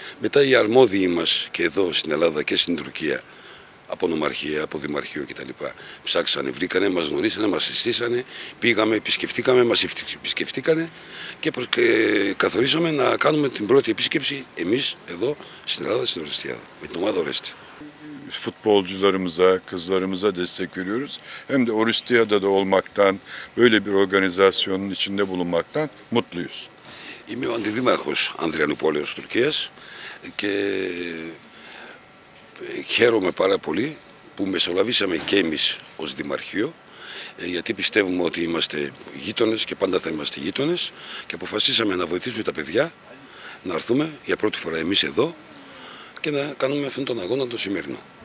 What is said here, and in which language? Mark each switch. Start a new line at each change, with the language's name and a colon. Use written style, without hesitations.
Greek: Μετά οι αρμόδιοι μας και εδώ στην Ελλάδα και στην Τουρκία από νομαρχία, από δημαρχείο κτλ. Ψάξανε, βρήκανε, μας γνωρίσανε, μας συστήσανε, πήγαμε, επισκεφτήκαμε, μας επισκεφτήκανε και καθορίσαμε να κάνουμε την πρώτη επίσκεψη εμείς εδώ στην Ελλάδα, στην Ορεστιάδα, με την ομάδα Ορέστη.
Turkish: Futbolcularımıza, kızlarımıza destek veriyoruz. Hem de Oristiyada'da olmaktan, böyle bir organizasyonun içinde bulunmaktan mutluyuz.
Greek: Είμαι ο αντιδήμαρχος Ανδριανούπολης Τουρκίας και χαίρομαι πάρα πολύ που μεσολαβήσαμε και εμείς ως Δημαρχείο, γιατί πιστεύουμε ότι είμαστε γείτονες και πάντα θα είμαστε γείτονες και αποφασίσαμε να βοηθήσουμε τα παιδιά να έρθουμε για πρώτη φορά εμείς εδώ και να κάνουμε αυτόν τον αγώνα το σημερινό.